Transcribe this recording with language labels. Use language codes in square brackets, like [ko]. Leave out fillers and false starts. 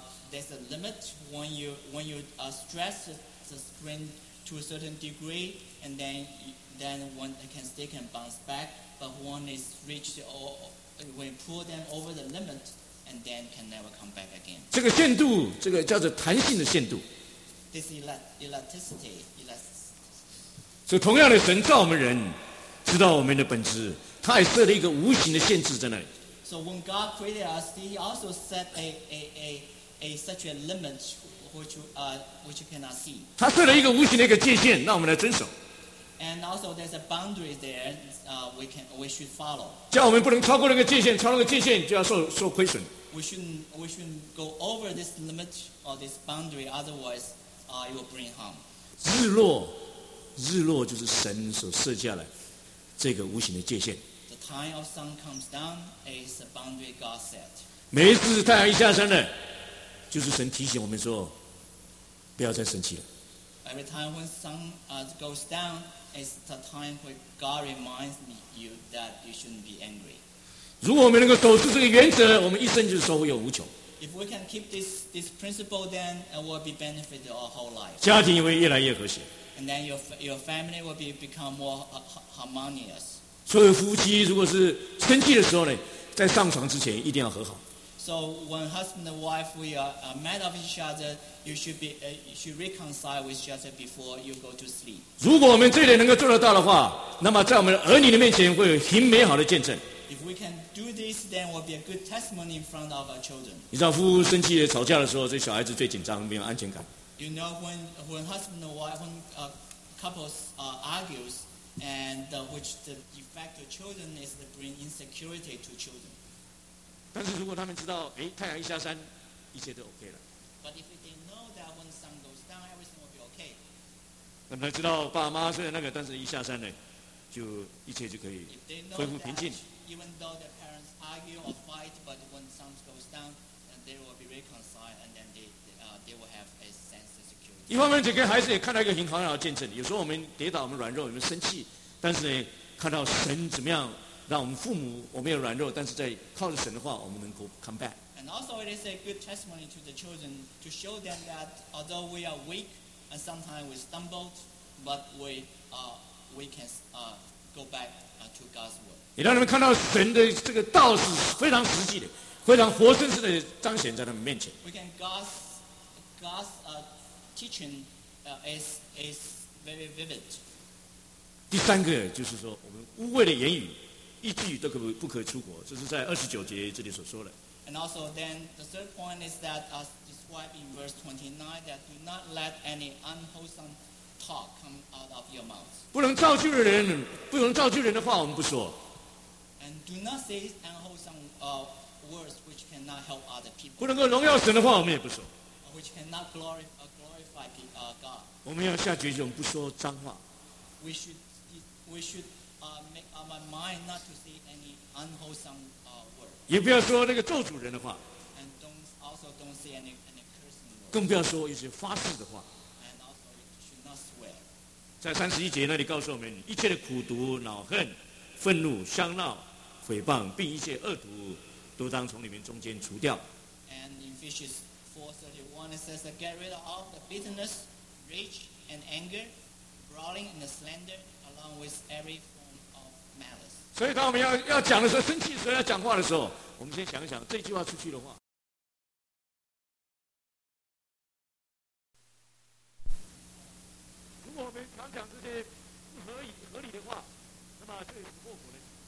[en] There's a limit when you stress the spring to a certain degree, and then one can stick and bounce back. But when it's reached or when pull them over the limit. And then can never come back again. [zh] 这个限度，这个叫做弹性的限度。 [en] This elasticity. [zh] 所以，同样的，神造我们人，知道我们的本质，他也设了一个无形的限制在那里。 [en] So when God created us, He also set a such a limit which you cannot see. [zh] 他设了一个无形的一个界限，让我们来遵守。 [en] And also, there's a boundary there. We should follow. [zh] 叫我们不能超过那个界限，超过那个界限就要受亏损。 [en] We shouldn't go over this limit or this boundary, otherwise, it will bring harm. [zh] 日落就是神所设下来这个无形的界限。 [en] The time of sun comes down is the boundary God set. [zh] 每一次太阳一下山呢，就是神提醒我们说，不要再生气了。 [en] Every time when sun goes down, it's the time when God reminds you that you shouldn't be angry. [zh] 如果我们能够守住这个原则，我们一生就是收获无穷。 [en] If we can keep this principle, then it will be benefited our whole life. [zh] 家庭也会越来越和谐。 [en] And then your family will become more harmonious. [zh] 所以夫妻如果是生气的时候呢，在上床之前一定要和好。 [en] So when husband and wife we are mad at each other, you should reconcile with each other before you go to sleep. [zh] 如果我们这点能够做得到的话，那么在我们的儿女的面前会有很美好的见证。 [en] If we can do this, then will be a good testimony in front of our children. [zh] 你知道夫妇生气吵架的时候，这小孩子最紧张，没有安全感。 [en] You know when husband and wife when couples argues and which the effect of children is to bring insecurity to children. [zh] 但是如果他们知道，哎，太阳一下山，一切都 OK 了。 [en] But if they know that when the sun goes down, everything will be OK. [zh] 那么他知道爸妈虽然那个，但是一下山呢，就一切就可以恢复平静。 [en] Even though their parents argue or fight, but when the sun goes down, they will be reconciled, and then they will have a sense of security. [zh] 一方面，这个孩子也看到一个很好的见证。有时候我们跌倒，我们软弱，我们生气，但是呢，看到神怎么样。让我们父母我们有软弱，但是在靠着神的话，我们能够 [en] come back。 And also, it is a good testimony to the children to show them that although we are weak and sometimes we stumble, but we can go back to God's word. [zh] 也让他们看到神的这个道是非常实际的，非常活生生的彰显在他们面前。 [en] We can God's teaching is very vivid. [zh] 第三个就是说，我们污秽的言语。一句都不可出口，这是在二十九节这里所说的。 [en] And also, then the third point is that, as described in verse 29, that do not let any unwholesome talk come out of your mouth. [zh] 不能造句的话，我们不说。 [en] And do not say unwholesome words which cannot help other people. [zh] 不能够荣耀神的话，我们也不说。 [en] which cannot glorify God. [zh] 我们要下决心不说脏话。 [en] We should make up our mind not to say any unwholesome word. [zh] 也不要说那个咒诅人的话。 [en] And don't say any cursing word. [zh] 更不要说一些发誓的话。 [en] And also you should not swear. [zh] 在三十一节那里告诉我们，一切的苦毒、恼恨、愤怒、嚣闹、毁谤，并一切恶毒，都当从你们中间除掉。 [en] And in Ephesians 4:31 it says, "Get rid of all the bitterness, rage, and anger, brawling and slander, along with every form of malice." [zh] 所以当我们要讲的时候，生气的时候，要讲话的时候，我们先想一想这句话出去的话。如果我们常讲这些不合理的话，那么这有什么后果呢？